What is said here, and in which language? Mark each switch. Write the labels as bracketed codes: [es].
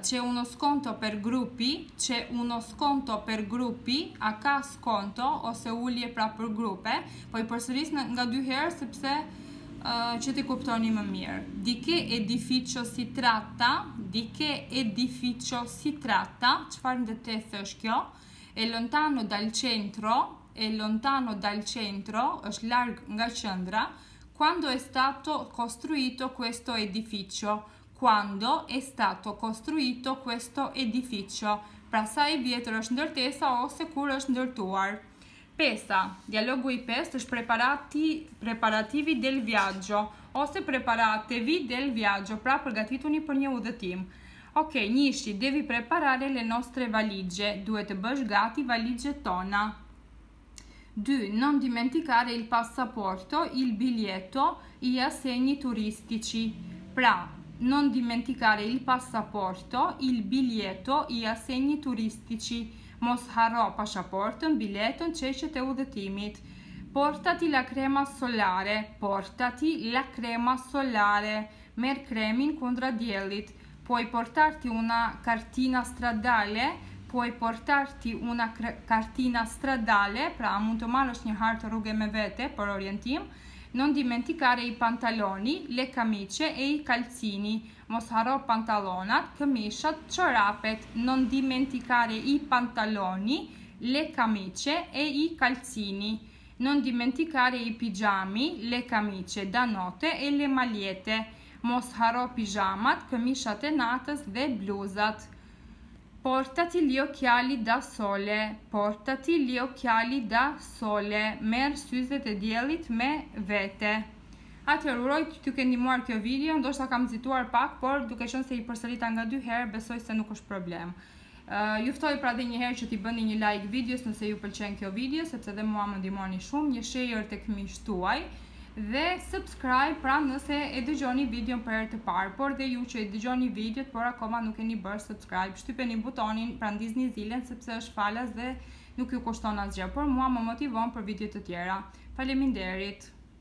[it] C'è uno sconto per gruppi, [sq] a ka sconto ose ulje pra për grupe, po i përsëris nga dy herë sepse që ti kuptoni më mirë. [it] Di che edificio si tratta? [sq] Çfarë ndërtesë është kjo? [it] È lontano dal centro, [sq] është larg nga qendra. [it] Quando è stato costruito questo edificio? Quando è stato costruito questo edificio? [sq] Pra sa i vjetër është ndërtesa ose kur është ndërtuar? Pesa, dialogu i 5, është [it] preparativi del viaggio [sq] ose [it] preparatevi del viaggio, [sq] pra përgatituni për një udhëtim. [it] Ok, Nishi, devi preparare le nostre valigie. [sq] Duhet të bësh gati valigje tona. 2. [it] Non dimenticare il passaporto, il biglietto, gli assegni turistici. Pra, non dimenticare il passaporto, il biglietto, gli assegni turistici. [sq] Mos harro passaportën, biletën, çeshet e udhëtimit. [it] Portati la crema solare. [sq] Merr kremin kundra diellit. [it] Puoi portarti una cartina stradale? puoi portarti una cartina stradale, [sq] pra amuto malos një hartë rrugë me vete për orientim, [it] non dimenticare i pantaloni, le camicie e i calzini. [sq] Mos haro pantalonat, këmishat, çorapet. [it] Non dimenticare i pantaloni, le camicie e i calzini. Non dimenticare i pigiami, le camicie da notte e le magliette. [sq] Mos haro pigiamat, këmishat e natës dhe bluzat. [it] Portati gli occhiali da sole, portati gli occhiali da sole, [sq] merë syzet e diellit me vete. Atëherë uroj që ty ke ndihmuar kjo video, ndoshta kam nxituar pak, por duke qenë se i përsërita nga dy herë, besoj se nuk është problem. Ju ftoj pra dhe një herë që t'i bëni një like videos nëse ju pëlqen kjo video, sepse dhe mua më ndihmoni shumë, një share tek miqtë tuaj, dhe subscribe pra nëse e dëgjoni video për herë të parë, por dhe ju që e dëgjoni video por akoma nuk e një bërë subscribe, shtypeni butonin pra ndizni zilen sepse është falas dhe nuk ju kushton asgjë, por mua më motivon për video të tjera. Faleminderit.